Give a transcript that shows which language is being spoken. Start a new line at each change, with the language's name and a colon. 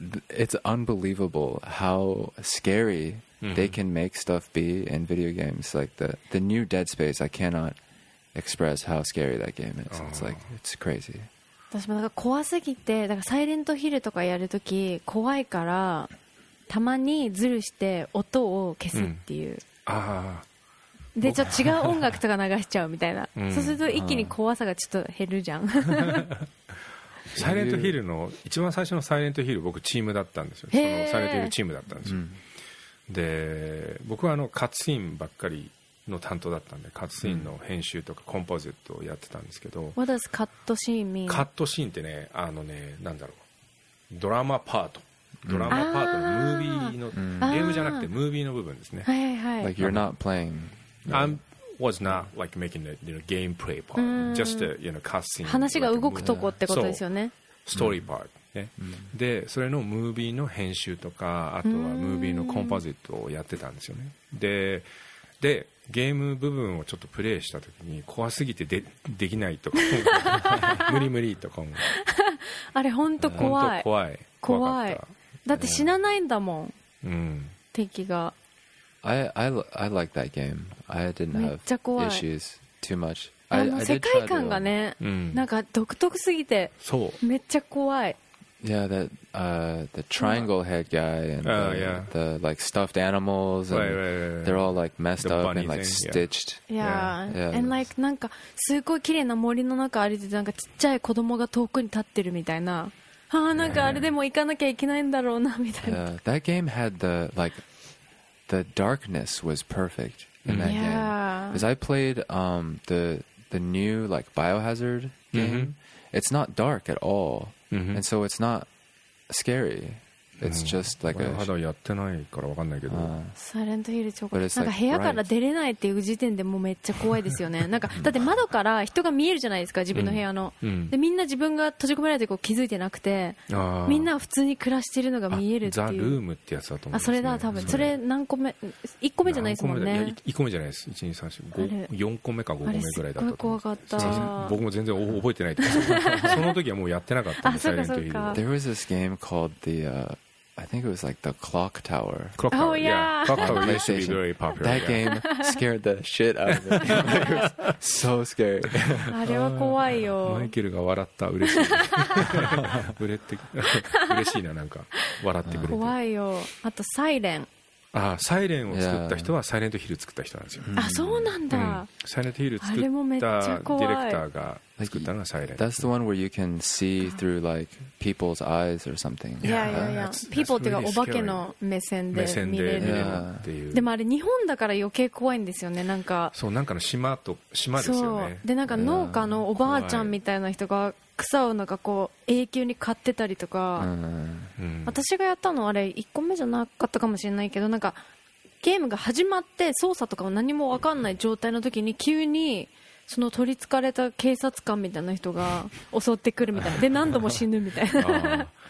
English: it's unbelievable how scary they can make stuff be in video games. Like the new Dead Space, I cannot express how scary that game is. It's like it's crazy.
Japanese: 私もなんか怖すぎて、だからサイレントヒルとかやるとき怖いからたまにズルして音を消すっていう、でちょっと違う音楽とか流しちゃうみたいな、そうすると一気に怖さがちょっと減るじゃん。サイレントヒルの一番最初のサイレントヒル僕チームだったんですよ。そのサイレントヒルチームだったんですよ。で僕はあのカツシーンばっかりの担当だったんで、カットシーンの編集とかコンポジットをやってたんですけど、
English: What does cut scene mean?
Japanese: カットシーンってね、あのね、なんだろう、ドラマパート、ドラマパートのムービーの、ゲームじゃなくてムービーの部分ですね。はいはい。
English: Like you're not playing. I'm was not like making the you know, gameplay part, just a you know, cutscene.
Japanese: 話が動くとこってことですよね。ストーリーパート。で、それのムービーの編集とか、あとはムービーのコンポジットをやってたんですよね。で、ゲーム部分をちょっとプレイしたときに、怖すぎて できないとか、無理無理とか思う。あれ、本当怖い。本当怖い。怖かった。だって死なないんだもん。敵が。
English: I like that game. I didn't have issues too much.
Japanese: あの世界観がね、なんか独特すぎて、そう。めっちゃ怖い。
English: Yeah, the triangle head guy and the like stuffed animals and they're all like messed up and like stitched. Yeah, and like
Japanese: なんかすごい綺麗な森の中歩いててなんかちっちゃい子供が遠くに立ってるみたいな。ああなんかあれでも行かなきゃいけないんだろうなみたいな。
English: Yeah, that game had the darkness was perfect in that game. Because I played the new like Biohazard game. It's not dark at all. And so it's not scary. It's just like a.
Japanese: まだやってないからわかんないけど。サイレントヒルチョコ。なんか部屋から出れないっていう時点でもうめっちゃ怖いですよね。なんかだって窓から人が見えるじゃないですか自分の部屋の。でみんな自分が閉じ込められてこう気づいてなくて、みんな普通に暮らしているのが見えるっていう。ザ・ルームってやつだと思う。あ、それだ多分。それ何個目？一個目じゃないですもんね。一個目じゃないです。一二三四五四個目か五個目ぐらいだった。すごい怖かった。僕も全然覚えてない。その時はもうやってなかったサイレントヒル。
English: There was this game called theI think it was like the Clock Tower. Clock Tower, oh, yeah. Clock Tower used to be very popular. That yeah. game scared the shit out of me. So scary.
Japanese: あれは怖いよ。マイケルが笑った。嬉しい。うれって嬉しいな、なんか。笑ってくれて。怖いよ。あと、サイレン。あ、サイレンを作った人はサイレントヒル作った人なんですよ。あ、そうなんだ。サイレントヒル作ったディレクターが作ったのがサイレン。
English: That's the one where you can see through like people's eyes or something. Yeah, yeah, yeah. People
Japanese: っていうかお化けの目線で見れるっていう。でもあれ日本だから余計怖いんですよね。なんかそう、なんかの島と島ですよね。でなんか農家のおばあちゃんみたいな人が草をなんかこう永久に刈ってたりとか、私がやったのあれ1個目じゃなかったかもしれないけど、なんかゲームが始まって操作とかも何も分かんない状態の時に急にその取り憑かれた警察官みたいな人が襲ってくるみたいで何度も死ぬみたいな。